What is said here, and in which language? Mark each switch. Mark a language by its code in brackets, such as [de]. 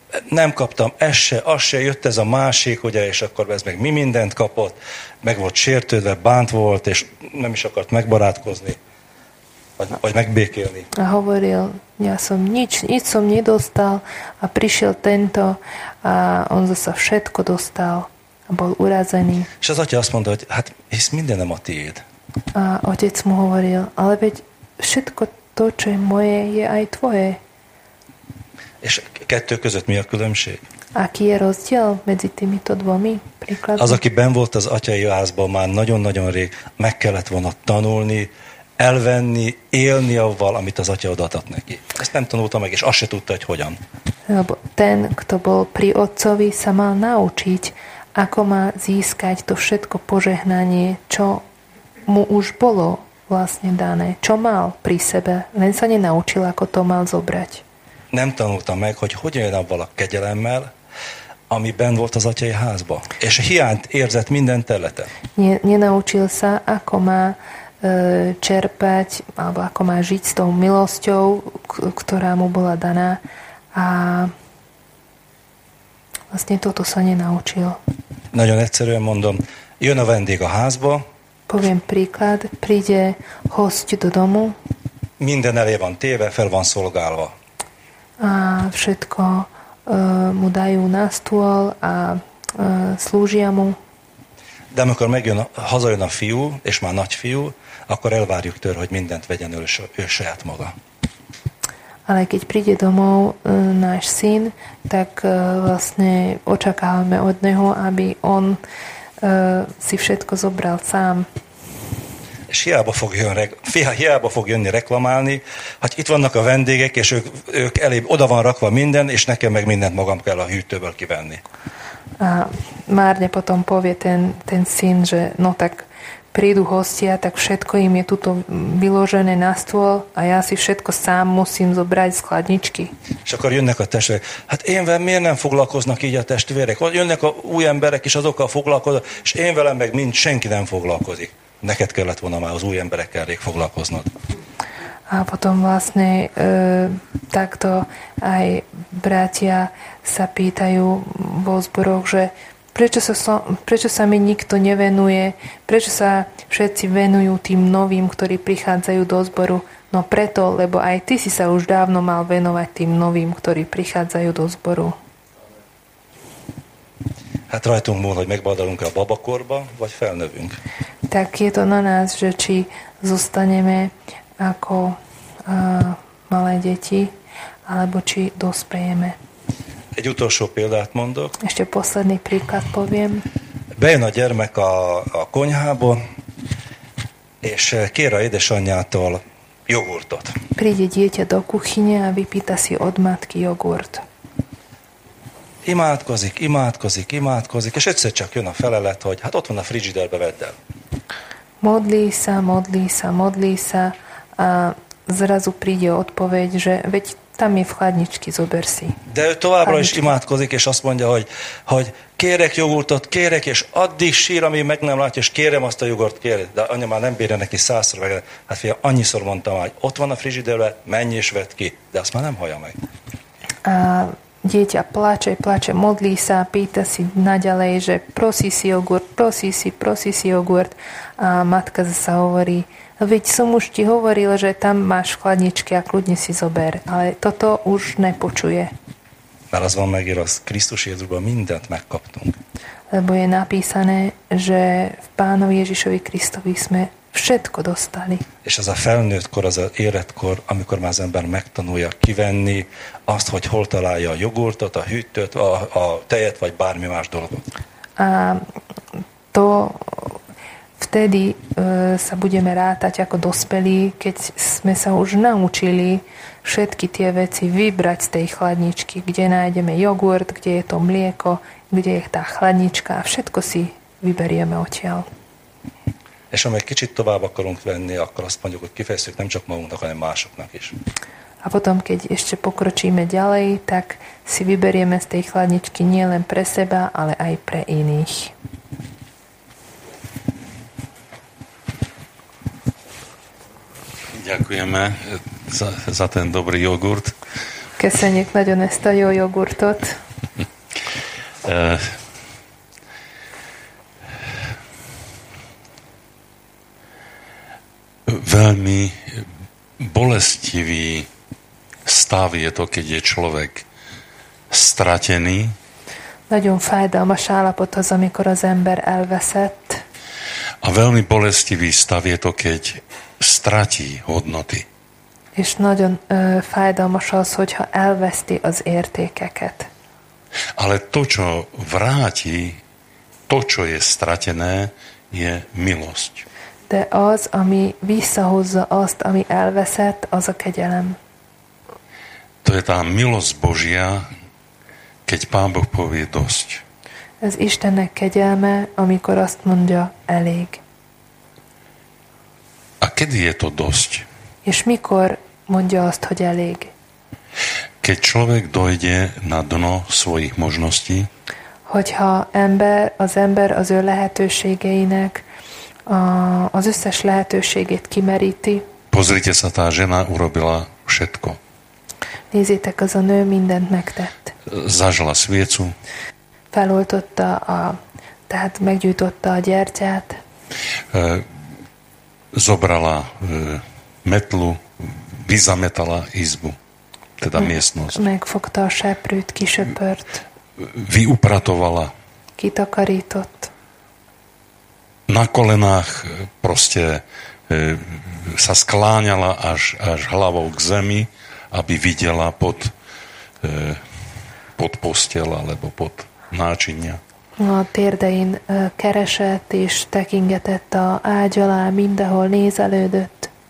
[hu] Nem kaptam ezt se, azt se, jött ez a másik, ugye, és akkor ez meg mi mindent kapott, meg volt sértődve, bánt volt, és nem is akart megbarátkozni, vagy megbékélni. [sk] A hovoril, ja som nič som nedostal, a prišiel tento, a on zase všetko dostal, a bol urazený. [hu] És az atya azt mondta, hogy hát hisz mindenem a tiéd. [sk] A otec mu hovoril, ale veď všetko to, čo je moje, je aj tvoje. [hu] És kettő között mi a különbség? [sk] Aki je rozdiel medzi týmito dvomi príkladmi? [hu] Az, aki ben volt az atyai házban már nagyon-nagyon rég, meg kellett volna tanulni, elvenni, élni avval, amit az atya odaadott neki. Ezt nem tanulta meg, és azt se tudta, hogy hogyan. [sk] Lebo ten, kto bol pri otcovi, sa mal naučiť, ako má získať to všetko požehnanie, čo mu už bolo vlastne dané, čo mal pri sebe. Len sa nenaučil, ako to mal zobrať. [hu] Nem tanulta meg, hogy hogyan jön abban a kegyelemmel, ami bent volt az atyai házba. És hiányt érzett minden területen. [sk] Nenaučil sa, ako má čerpať, alebo ako má žiť s tou milosťou, ktorá mu bola daná. A vlastne toto sa nenaučil. [hu] Nagyon egyszerűen mondom, jön a vendég a házba. [sk] Poviem príklad, príde hosť do domu. [hu] Minden elé van téve, fel van szolgálva. [sk] A všetko mu dajú na stôl a slúžia mu. [hu] De amikor megjön, hazajön a fiú, és már nagy fiú, akkor elvárjuk tőle, hogy mindent vegyen ő saját maga. [sk] Ale keď príde domov náš syn, tak vlastne očakávame od neho, aby on si všetko zobral sám. [hu] És hiába fog jönni reklamálni, hát itt vannak a vendégek, és ők elé oda van rakva minden, és nekem meg mindent magam kell a hűtőből kivenni. [sk] A már ne potom povie ten syn, že no tak prídu hostia, tak všetko im je tuto vyložené na stôl a ja si všetko sám musím zobrať z skladničky. [hu] És akkor jönnek a testvérek. Hát én velem miért nem foglalkoznak így a testvérek? Jönnek a új emberek is azokkal foglalkoznak, és én velem meg mind senki nem foglalkozik. Neked kellett volna már az új emberekkel rég foglalkoznod. [sk] A potom vlastne takto aj bratia sa pýtajú vo zboroch, že prečo sa mi nikto nevenuje, prečo sa všetci venujú tým novým, ktorí prichádzajú do zboru. No preto, lebo aj ty si sa už dávno mal venovať tým novým, ktorí prichádzajú do zboru. [hu] Hát rajtunk múl, hogy megbadalunk a babakorba, vagy felnövünk. [sk] Tak je to na nás, že či zostaneme ako malé deti, alebo či dospejeme. [hu] Egy utolsó példát mondok. [sk] Ešte posledný príklad poviem. [hu] Bejön a gyermek a konyhába, és kér a édesanyjától jogurtot. [sk] Príde dieťa do kuchyne a vypýta si od matky jogurt. [hu] Imádkozik, és egyszer csak jön a felelet, hogy hát ott van a frigiderbe, vedd el. [sk] Modlí sa a zrazu príde odpoveď, že veď tam je v chladničky, zober si. [hu] De ő továbbra is imádkozik, és azt mondja, hogy kérek jogurtot, kérek, és addig sír, amíg meg nem látja, és kérem azt a jogurt, kérek. De anya már nem bírja neki százszor meg. Hát fia, annyiszor mondtam, hogy ott van a frigiderbe, menj és vedd ki, de azt már nem hallja meg. [sk] A dieťa plače, modlí sa, pýta si naďalej, že prosí si jogurt. A matka zasa hovorí, veď som už ti hovoril, že tam máš chladničky a kľudne si zober. Ale toto už nepočuje. [hu] Naraz vám megíroz, Kristus Jezusba mindent megkaptunk. [sk] Lebo je napísané, že v Pánovi Ježišovi Kristovi sme všetko dostali. [hu] És az a felnőtt kor, az a érett kor, amikor már az ember megtanulja kivenni azt, hogy hol találja a jogurtot, a hűtőt, a tejet, vagy bármi más dolgot. [sk] A to vtedy sa budeme rátať ako dospelí, keď sme sa už naučili všetky tie veci vybrať z tej chladničky, kde nájdeme jogurt, kde je to mlieko, kde je tá chladnička a všetko si vyberieme odtiaľ. [hu] És ha meg kicsit tovább akarunk venni, akkor azt mondjuk, hogy kifejezzük nem csak magunknak, hanem másoknak is. [sk] A potom, keď ešte pokročíme ďalej, tak si vyberieme z tej chladničky nielen pre seba, ale aj pre iných. Ďakujeme za ten dobrý jogurt. [hu] Köszönjük nagyon ezt a jó jogurtot. [sk] Veľmi bolestivý stav je to, keď je človek stratený. [hu] Nagyon fájdalmas állapot az, amikor az ember elveszett. [sk] A veľmi bolestivý stav je to, keď stratí hodnoty. [hu] És nagyon fájdalmas az, hogyha elveszti az értékeket. [sk] Ale to, čo vráti, to, čo je stratené, je milosť. [hu] De az, ami visszahozza azt, ami elveszett, az a kegyelem. [sk] To je tá milosť Božia, keď Pán Boh povie dosť. [hu] Ez Istennek kegyelme, amikor azt mondja, elég. [sk] A kedy je to dosť? [hu] És mikor mondja azt, hogy elég? [sk] Keď človek dojde na dno svojich možností, [hu] hogyha ember, az ember az ő lehetőségeinek az összes lehetőségét kimeríti. [sk] Pozrite sa, tá žena urobila všetko. [hu] Nézzétek, az a nő mindent megtett. [sk] Zažala sviecu. [hu] Feloltotta tehát meggyújtotta a gyertyát. [sk] Zobrala metlu, vyzametala izbu, teda miestnosť. [hu] Megfogta a seprűt, kisöpört. [sk] Vyupratovala. [hu] Kitakarított. [sk] Na kolenách proste sa skláňala až hlavou k zemi, aby videla pod posteľ alebo pod náčinia. [hu] A térdein keresett és tekingetett a ágy alá, mindenhol nézelődött.